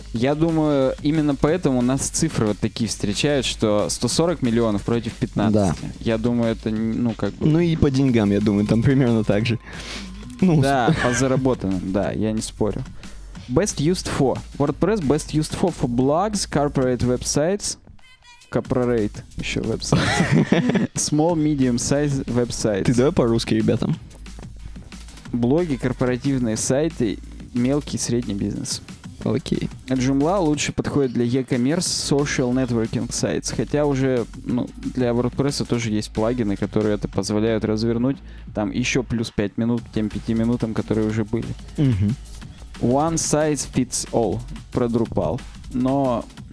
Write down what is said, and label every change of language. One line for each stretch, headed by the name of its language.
Russian: Я думаю, именно поэтому у нас цифры вот такие встречают, что 140 миллионов против 15. Да. Я думаю, это, ну, как бы... Ну и по деньгам, я думаю, там примерно так же. Ну, да, по заработанным, да, я не спорю.
English: Best used for. WordPress best used for blogs, corporate websites...
Russian: Corporate еще веб-сайт.
English: Small, medium size веб-сайт.
Russian: Ты давай по-русски, ребятам. Блоги, корпоративные сайты, мелкий и средний бизнес. Окей.
English: Okay.
Russian: Joomla лучше подходит для e-commerce, social networking sites. Хотя уже, ну, для WordPress тоже есть плагины, которые это позволяют развернуть там еще плюс 5 минут к тем 5 минутам, которые уже были. Mm-hmm.
English: One size fits all. Про Drupal. Но...